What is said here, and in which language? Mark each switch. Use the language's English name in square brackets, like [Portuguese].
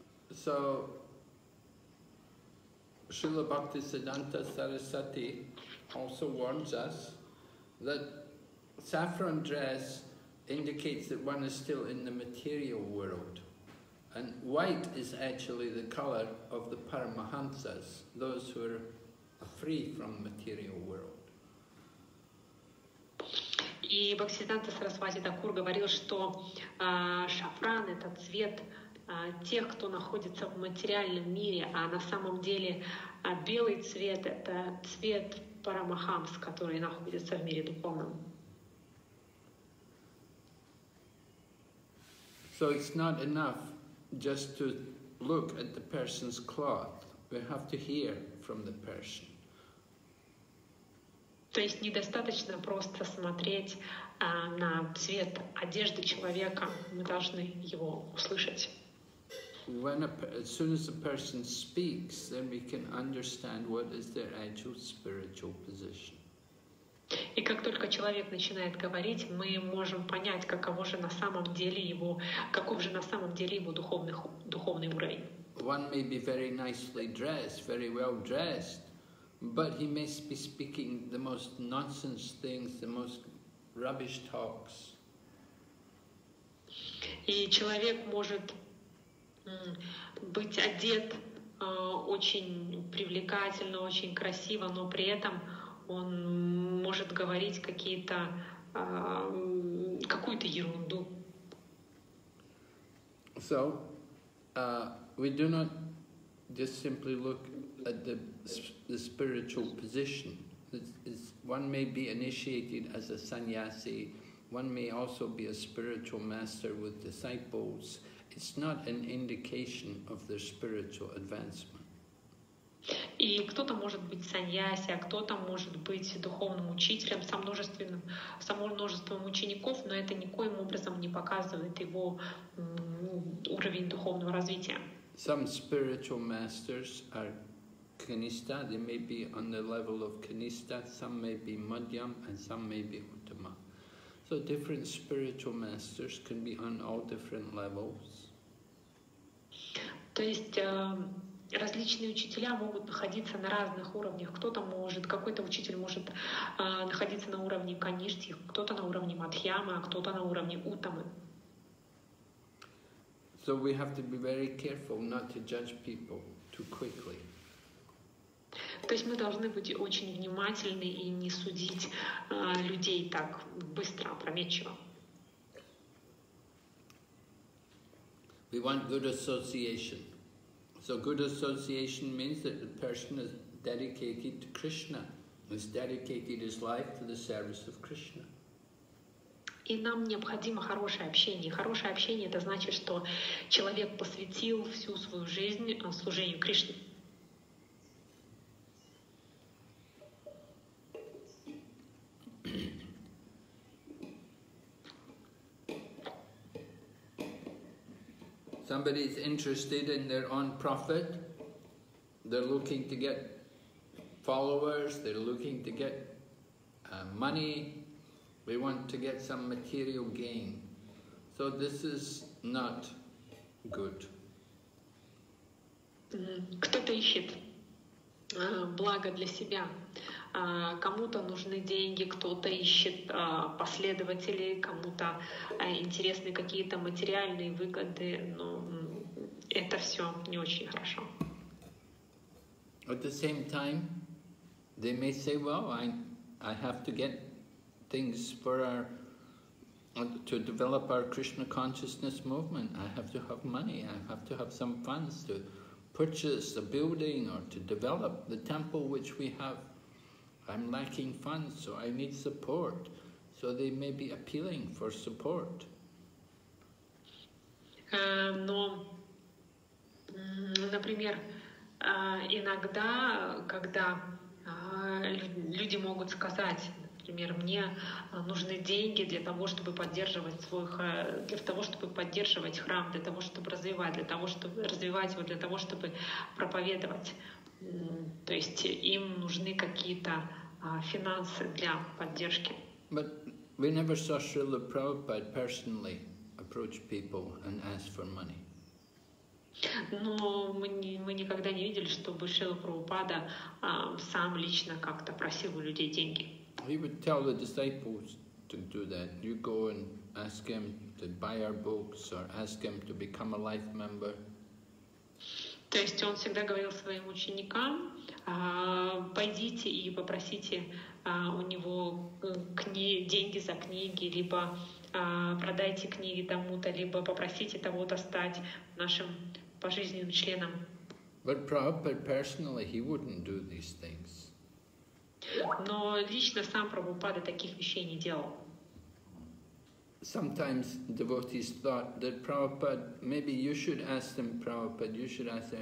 [English] So, Srila Bhaktisiddhanta Sarasvati also warns us that saffron dress indicates that one is still in the material world. And white is actually the color of the Paramahansas, those who are free from the material world. [Russian] И Бхактисиддханта Сарасвати Тхакур говорил, что шафран — это цвет тех, кто находится в материальном мире, а на самом деле белый цвет — это цвет парамахамс, который находится в мире духовном. [English] So it's not enough just to look at the person's cloth. We have to hear from the person. [Russian] То есть недостаточно просто смотреть на цвет одежды человека, мы должны его услышать. [English] As soon as a person speaks, then we can understand what is their actual spiritual position. [Russian] И как только человек начинает говорить, мы можем понять, каково же на самом деле его, каков же на самом деле его духовный уровень. [English] One may be very nicely dressed, very well dressed, but he may be speaking the most nonsense things, the most rubbish talks. [Russian] И человек может быть одет очень привлекательно, очень красиво, но при этом он может говорить какую-то ерунду. [English] So, we do not just simply look at the spiritual position. One may be initiated as a sannyasi, one may also be a spiritual master with disciples. It's not an indication of their spiritual advancement. [Russian] И кто-то может быть саньяси, а кто-то может быть духовным учителем со множеством учеников, но это никоим образом не показывает его уровень духовного развития. [English] Some spiritual masters are Kanista, they may be on the level of Kanista, some may be Madhyam, and some may be Uttama. So different spiritual masters can be on all different levels. [Russian] То есть различные учителя могут находиться на разных уровнях. Какой-то учитель может находиться на уровне Каништи, кто-то на уровне Мадхьяма, а кто-то на уровне Уттамы. [English] So we have to be very careful not to judge people too quickly. [Russian] То есть мы должны быть очень внимательны и не судить людей так быстро, опрометчиво. [English] We want good association. So good association means that the person is dedicated to Krishna, has dedicated his life to the service of Krishna. [Russian] И нам необходимо хорошее общение. Хорошее общение — это значит, что человек посвятил всю свою жизнь служению Кришне. [English] Somebody is interested in their own profit. They're looking to get followers. They're looking to get money. We want to get some material gain. So this is not good. [Russian] Кто-то ищет благо для себя. Кому-то нужны деньги, кто-то ищет последователей, кому-то интересны какие-то материальные выгоды, но это все не очень хорошо. [English] At the same time, they may say, well, I have to get things for our, to develop our Krishna consciousness movement. I have to have money, I have to have some funds to purchase a building or to develop the temple which we have. I'm lacking funds, so I need support. So they may be appealing for support. [Russian] Но, например, иногда, когда люди могут сказать, например, мне нужны деньги для того, чтобы поддерживать свой храм, для того, чтобы развивать, для того, чтобы проповедовать. То есть им нужны какие-то финансы для поддержки. [English] But we never saw Srila Prabhupada personally approach people and ask for money. [Russian] Но мы никогда не видели, чтобы Шрила Прабхупада сам лично как-то просил у людей деньги. [English] He would tell the disciples to do that. You go and ask him to buy our books or ask him to become a life member. [Russian] То есть он всегда говорил своим ученикам, пойдите и попросите у него деньги за книги, либо продайте книги тому-то, либо попросите того-то стать нашим пожизненным членом. [English] But Prabhupada personally, he wouldn't do these things. [Russian] Но лично сам Прабхупада таких вещей не делал. [English] Sometimes devotees thought that Prabhupada, maybe you should ask them, Prabhupada, you should ask them.